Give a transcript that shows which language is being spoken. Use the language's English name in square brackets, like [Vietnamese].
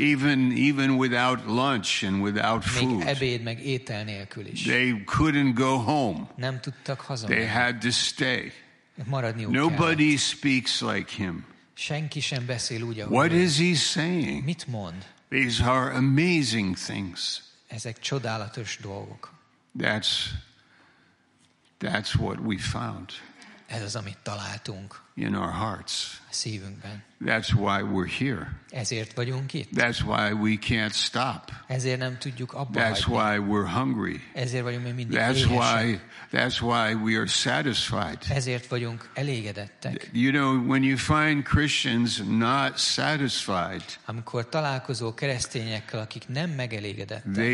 [English] Even without lunch and without food. [Hungarian] Még ebéd meg étel nélkül is. [English] They couldn't go home. [Hungarian] Nem tudtak hazamenni. [English] They had to stay. [Hungarian] Maradniuk kellett. [English] Nobody speaks like him. [Hungarian] Senki sem beszél úgy, ahogy. [English] What is he saying? [Hungarian] Mit mond? [English] These are amazing things. [Hungarian] Ezek csodálatos dolgok. [English] That's what we found. [Hungarian] Ez az, amit találtunk. [English] In our hearts. [Hungarian] A szívünkben. [English] That's why we're here. [Hungarian] Ezért vagyunk itt. [English] That's why we can't stop. [Hungarian] Ezért nem tudjuk abbahagyni. [English] That's why we're hungry. [Hungarian] Ezért vagyunk mindig éhesek. [English] That's why we are satisfied. [Hungarian] Ezért vagyunk elégedettek. [English] You know, when you find Christians not satisfied. [Hungarian] Amikor találkozol keresztényekkel, akik nem megelégedettek.